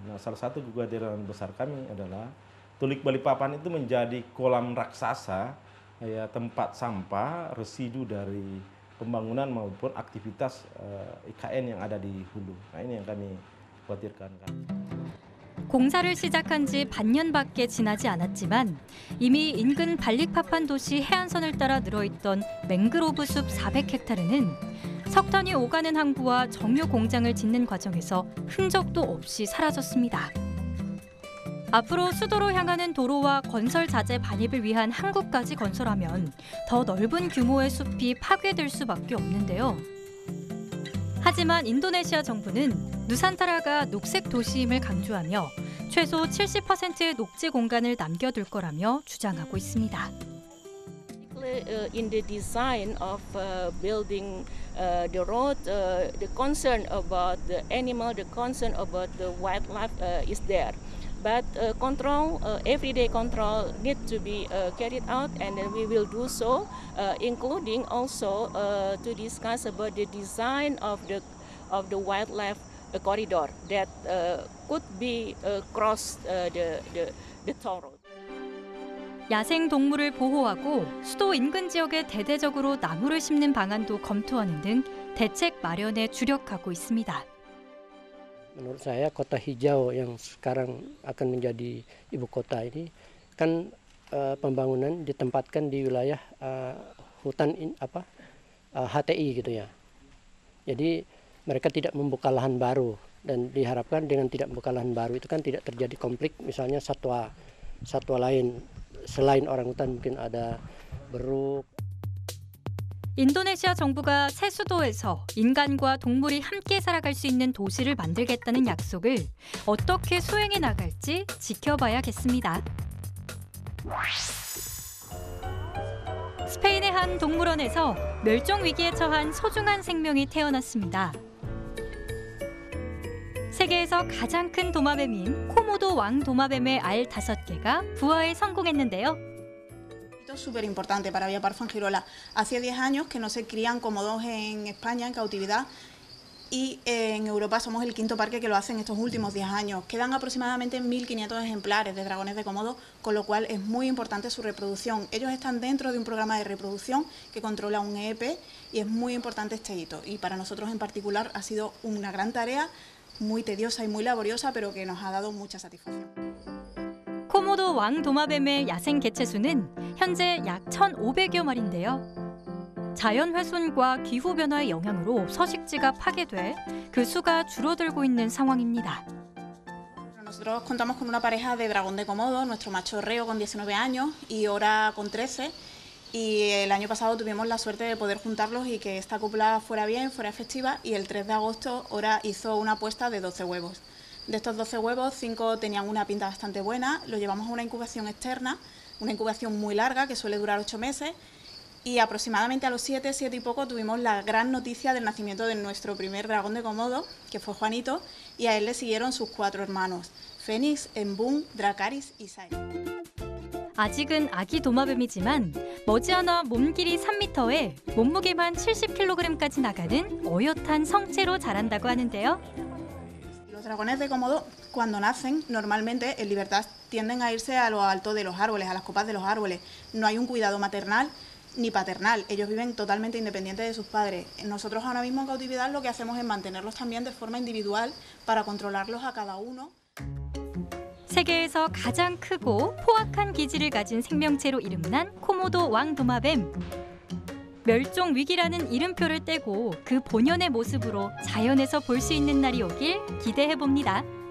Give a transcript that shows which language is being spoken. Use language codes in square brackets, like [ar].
[id] Nah, salah satu kekhawatiran besar kami adalah Teluk Balikpapan itu menjadi kolam raksasa, ya, tempat sampah, residu dari pembangunan maupun aktivitas IKN yang ada di hulu. Nah, ini yang kami khawatirkan. [ko] 공사를 시작한 지 반년밖에 지나지 않았지만 이미 인근 발릭파판 도시 해안선을 따라 늘어있던 맹그로브 숲 400헥타르는 석탄이 오가는 항구와 정유 공장을 짓는 과정에서 흔적도 없이 사라졌습니다. 앞으로 수도로 향하는 도로와 건설 자재 반입을 위한 항구까지 건설하면 더 넓은 규모의 숲이 파괴될 수밖에 없는데요. 하지만 인도네시아 정부는 누산타라가 녹색 도시임을 강조하며 최소 70%의 녹지 공간을 남겨둘 거라며 주장하고 있습니다. [en] In the design of building the road, the concern about the animal, the concern about the wildlife is there. But control, everyday control, need to be carried out, and we will do so, including also to discuss about the design of the wildlife corridor that could be cross the toll road. [ko] 야생 동물을 보호하고 수도 인근 지역에 대대적으로 나무를 심는 방안도 검토하는 등 대책 마련에 주력하고 있습니다. [id] Menurut saya kota hijau yang sekarang akan menjadi ibu kota ini kan pembangunan ditempatkan di wilayah hutan HTI gitu ya. Jadi mereka tidak membuka lahan baru dan diharapkan dengan tidak membuka lahan baru itu kan tidak terjadi konflik misalnya satwa lain selain orang hutan mungkin ada beruk. [ko] 인도네시아 정부가 새 수도에서 인간과 동물이 함께 살아갈 수 있는 도시를 만들겠다는 약속을 어떻게 수행해 나갈지 지켜봐야겠습니다. 스페인의 한 동물원에서 멸종 위기에 처한 소중한 생명이 태어났습니다. 세계에서 가장 큰 도마뱀인 코모도 왕 도마뱀의 알 다섯 개가 부화에 성공했는데요. [es] Súper importante para Villa Parfán Girola. Hacía 10 años que no se crían cómodos en España en cautividad y en Europa somos el quinto parque que lo hace en estos últimos 10 años. Quedan aproximadamente 1.500 ejemplares de dragones de cómodo, con lo cual es muy importante su reproducción. Ellos están dentro de un programa de reproducción que controla un EEP y es muy importante este hito. Y para nosotros en particular ha sido una gran tarea, muy tediosa y muy laboriosa, pero que nos ha dado mucha satisfacción. [ko] 코모도 왕 도마뱀의 야생 개체수는 현재 약 1,500여 마리인데요. 자연 훼손과 기후변화의 영향으로 서식지가 파괴돼 그 수가 줄어들고 있는 상황입니다. [es] Nosotros contamos con una pareja de dragón de Komodo, nuestro macho reo con 19 años y ora con 13. Y el año pasado tuvimos la suerte de poder juntarlos y que esta cópula fuera bien, fuera efectiva. Y el 3 de agosto ora hizo una puesta de 12 huevos. De estos 12 huevos, 5 tenían una pinta bastante buena. Lo llevamos a una incubación externa, una incubación muy larga que suele durar 8 meses. Y aproximadamente a los 7 y poco tuvimos la gran noticia del nacimiento de nuestro primer dragón de Komodo, que fue Juanito, y a él le siguieron sus 4 hermanos, Fénix, Embun, Dracaris y Sae. [ko] 아직은 아기 도마뱀이지만 머지않아 몸길이 3m에 몸무게만 70kg까지 나가는 어엿한 성체로 자란다고 하는데요. [es] Los dragones de Komodo, cuando nacen, normalmente en libertad tienden a irse a lo alto de los árboles, a las copas de los árboles. No hay un cuidado maternal ni paternal. Ellos viven totalmente independientes de sus padres. Nosotros ahora mismo en cautividad lo que hacemos es mantenerlos también de forma individual para controlarlos a cada uno. [ko] 세계에서 가장 크고 포악한 기질을 가진 생명체로 이름난 코모도 왕 도마뱀. 멸종 위기라는 이름표를 떼고 그 본연의 모습으로 자연에서 볼 수 있는 날이 오길 기대해봅니다.